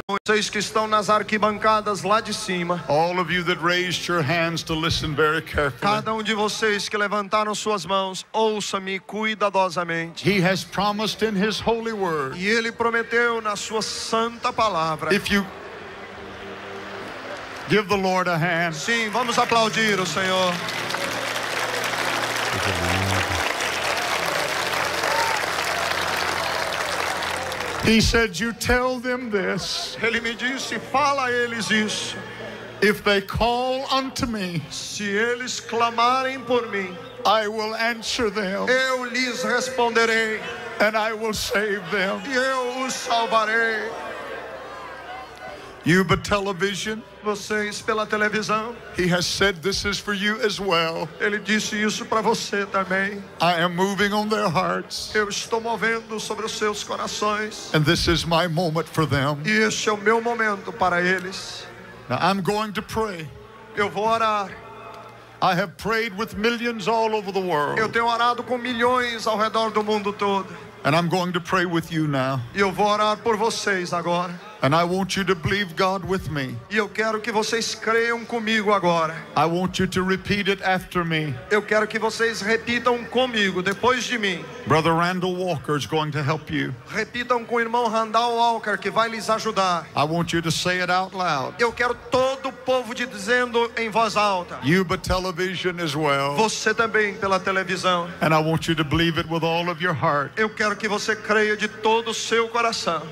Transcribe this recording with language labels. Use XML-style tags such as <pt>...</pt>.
<pt>Vocês que estão nas arquibancadas lá de cima.</pt> <en>All of you that raised your hands to listen very carefully.</en> <pt>Cada um de vocês que levantaram suas mãos, ouça-me cuidadosamente.</pt> <en>He has promised in his holy word.</en> <pt>E ele prometeu na sua santa palavra.</pt> <en>If you give the Lord a hand.</en> <pt>Sim, vamos aplaudir o Senhor.</pt> <en>He said, "You tell them this."</en> <pt>Ele me disse, fala a eles isso.</pt> <en>If they call unto me,</en> <pt>se eles clamarem por mim,</pt> <en>I will answer them.</en> <pt>Eu lhes responderei.</pt> <en>And I will save them.</en> <pt>E eu os salvarei.</pt> <en>You by television.</en> <pt>Vocês pela televisão.</pt> <en>He has said this is for you as well.</en> <pt>Ele disse isso para você também.</pt> <en>I am moving on their hearts.</en> <pt>Eu estou movendo sobre os seus corações.</pt> <en>And this is my moment for them.</en> <pt>E este é o meu momento para eles.</pt> <en>Now I'm going to pray.</en> <pt>Eu vou orar.</pt> <en>I have prayed with millions all over the world.</en> <pt>Eu tenho orado com milhões ao redor do mundo todo.</pt> <en>And I'm going to pray with you now.</en> <pt>E eu vou orar por vocês agora.</pt> <en>And I want you to believe God with me.</en> <pt>E eu quero que vocês creiam comigo agora.</pt> <en>I want you to repeat it after me.</en> <pt>Eu quero que vocês repitam comigo depois de mim.</pt> <en>Brother Randall Walker is going to help you.</en> <pt>Repitam com o irmão Randall Walker que vai lhes ajudar.</pt> <en>I want you to say it out loud.</en> <pt>Eu quero todo o povo dizendo em voz alta.</pt> <en>You by television as well.</en> <pt>Você também pela televisão.</pt> <en>And I want you to believe it with all of your heart.</en> <pt>Eu quero que você creia de todo o seu coração.</pt>